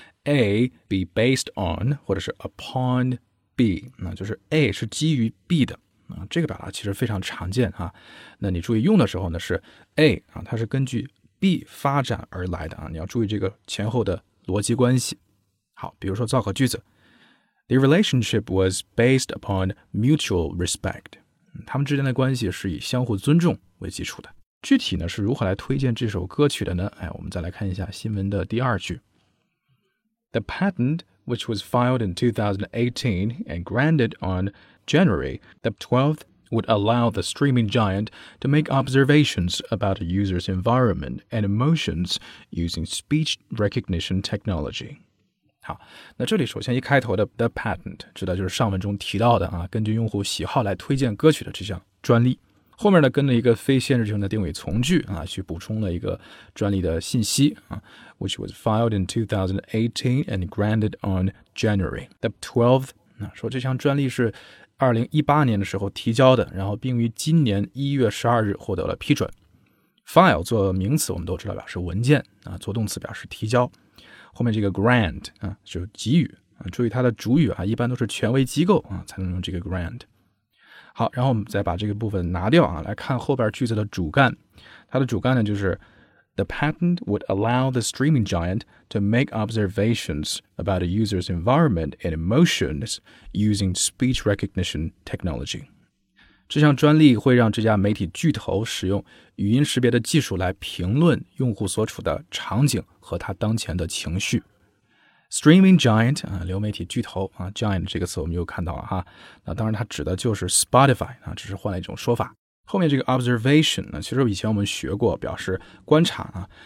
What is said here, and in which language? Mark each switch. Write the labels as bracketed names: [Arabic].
[English] A be based on [Chinese] 或者是 [English] upon B [Chinese] 那就是 A 是基于 B 的、啊、这个表达其实非常常见、啊、那你注意用的时候呢是 A、啊、它是根据 B 发展而来的、啊、你要注意这个前后的逻辑关系好比如说造个句子 [English] The relationship was based upon mutual respect. [Chinese] 他们之间的关系是以相互尊重为基础的。具体呢是如何来推荐这首歌曲的呢？哎，我们再来看一下新闻的第二句。 [English] The patent, which was filed in 2018 and granted on January the 12th, would allow the streaming giant to make observations about a user's environment and emotions using speech recognition technology. [Chinese] 好，那这里首先一开头的 the patent 指的就是上文中提到的啊，根据用户喜好来推荐歌曲的这项专利。后面呢跟了一个非限制性的定语从句啊，去补充了一个专利的信息啊 ， [English] which was filed in 2018 and granted on January the 12th。 [Chinese] 那说这项专利是2018年的时候提交的，然后并于今年1月12日获得了批准。 File 做名词我们都知道表示文件啊，做动词表示提交。后面这个 grant 啊，就给予啊，注意它的主语啊，一般都是权威机构啊，才能用这个 grant。好，然后我们再把这个部分拿掉啊，来看后边句子的主干。它的主干呢，就是 [English] the patent would allow the streaming giant to make observations about a user's environment and emotions using speech recognition technology。 [Chinese] 这项专利会让这家媒体巨头使用语音识别的技术来评论用户所处的场景和他当前的情绪。 [English] Streaming giant, [Chinese] 流媒体巨头、giant 这个词我们又看到了哈。那当然它指的就是 Spotify, 只是换了一种说法。后面这个 observation, 其实以前我们学过表示观察。